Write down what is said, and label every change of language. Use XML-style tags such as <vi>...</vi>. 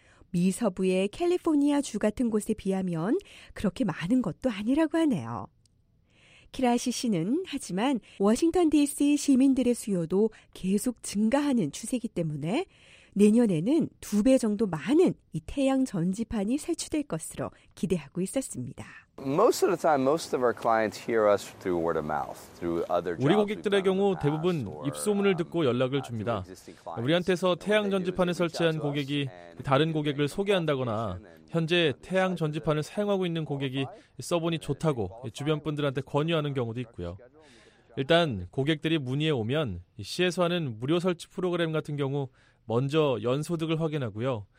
<ko>미서부의 캘리포니아 주 같은 곳에 비하면 그렇게 많은 것도 아니라고 하네요. 키라시 씨는 하지만 워싱턴 DC 시민들의 수요도 계속 증가하는 추세이기 때문에 내년에는 두 배 정도 많은 이 태양 전지판이 설치될 것으로 기대하고 있었습니다.</ko> <en>Most of the time, most of our clients hear us through word of mouth, through other.</en> <ko>우리 고객들의 경우 대부분 입소문을 듣고 연락을 줍니다. 우리한테서 태양 전지판을 설치한 고객이 다른 고객을 소개한다거나 현재 태양 전지판을 사용하고 있는 고객이 써보니 좋다고 주변 분들한테 권유하는 경우도 있고요. 일단 고객들이 문의해 오면 시에서 하는 무료 설치 프로그램 같은 경우 먼저 연소득을 확인하고요.</ko>